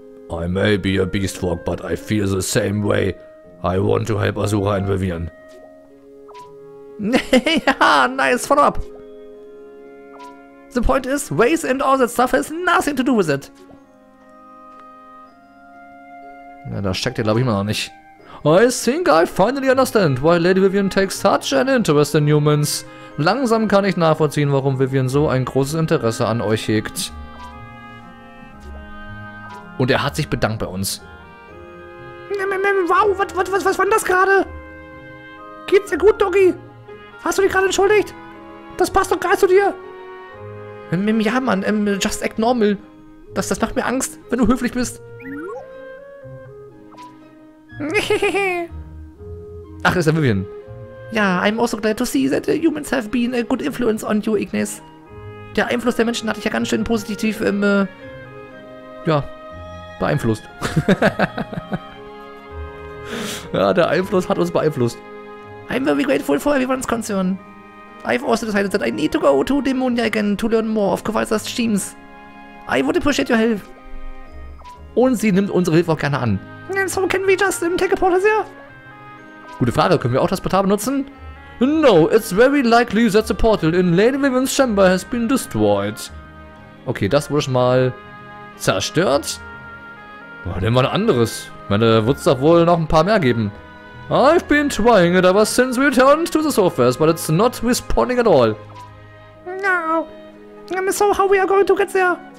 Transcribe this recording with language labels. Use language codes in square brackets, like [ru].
[en] I may be a beast folk, but I feel the same way. I want to help Azura and Vivien. Ja, nice follow-up. The point is, race and all that stuff has nothing to do with it. [de] Ja, das checkt ihr, glaube ich, immer noch nicht. [en] I think I finally understand why Lady Vivien takes such an interest in humans. [de] Langsam kann ich nachvollziehen, warum Vivien so ein großes Interesse an euch hegt. Und er hat sich bedankt bei uns. Wow, was war denn das gerade? Geht's dir gut, Doggy? Hast du dich gerade entschuldigt? Das passt doch gar nicht zu dir. Ja, Mann, [en] just act normal. [de] Das macht mir Angst, wenn du höflich bist. Ach, ist ja Vivien. [en] Ja, I'm also glad to see that humans have been a good influence on you, Ignis. [de] Der Einfluss der Menschen hat dich ja ganz schön positiv beeinflusst. Ja, der Einfluss hat uns beeinflusst. [en] I'm very grateful for everyone's concern. I've also decided that I need to go to Demonia again to learn more of Kowalska's schemes. I would appreciate your help. [de] Und sie nimmt unsere Hilfe auch gerne an. [en] And so can we just take a portal here? [de] Gute Frage, können wir auch das Portal benutzen? [en] No, it's very likely that the portal in Lady Vivien's chamber has been destroyed. [de] Okay, das wurde schon mal zerstört. Boah, nehmen wir ein anderes. Ich meine, wird es doch wohl noch ein paar mehr geben. [en] I've been trying it ever since we returned to the surface, but it's not responding at all. No. So how we are going to get there?